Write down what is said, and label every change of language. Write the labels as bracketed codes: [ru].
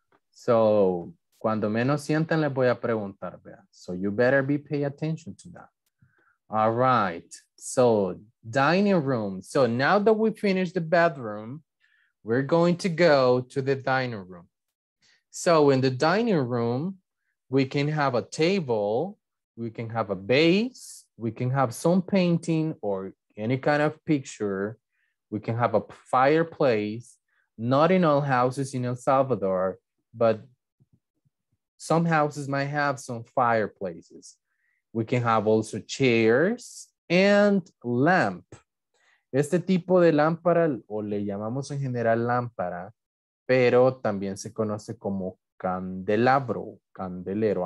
[es] So, cuando menos sientan, les voy a preguntar, vea. [en] So, you better be paying attention to that. All right. So, dining room. So, now that we finished the bedroom, we're going to go to the dining room. So, in the dining room, we can have a table, we can have a base, we can have some painting or any kind of picture, we can have a fireplace. Not in all houses in El Salvador, but some houses might have some fireplaces. We can have also chairs and lamp. [es] Este tipo de lámpara, o le llamamos en general lámpara, pero también se conoce como candelabro, candelero.